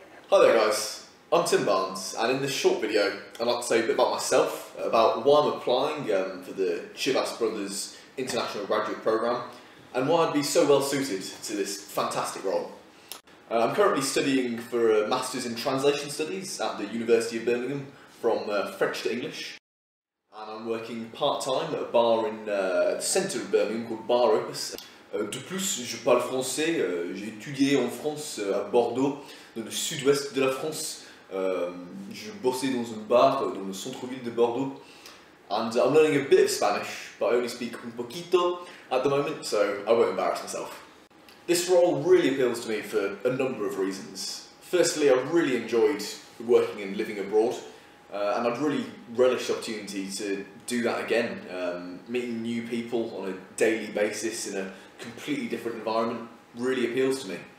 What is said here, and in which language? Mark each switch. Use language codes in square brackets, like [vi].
[en] Hi there guys, I'm Tim Barnes, and in this short video I'd like to tell you a bit about myself, about why I'm applying for the Chivas Brothers International Graduate Programme, and why I'd be so well suited to this fantastic role. I'm currently studying for a Masters in Translation Studies at the University of Birmingham, from French to English, and I'm working part-time at a bar in the centre of Birmingham called Bar Opus. [fr] De plus, je parle français, j'ai étudié en France, à Bordeaux, dans le sud-ouest de la France. Je bossais dans un bar dans le centre-ville de Bordeaux. [en] And I'm learning a bit of Spanish, but I only speak [es] un poquito [en] at the moment, so I won't embarrass myself. This role really appeals to me for a number of reasons. Firstly, I've really enjoyed working and living abroad, and I'd really relish the opportunity to do that again, meeting new people on a daily basis in a completely different environment really appeals to me.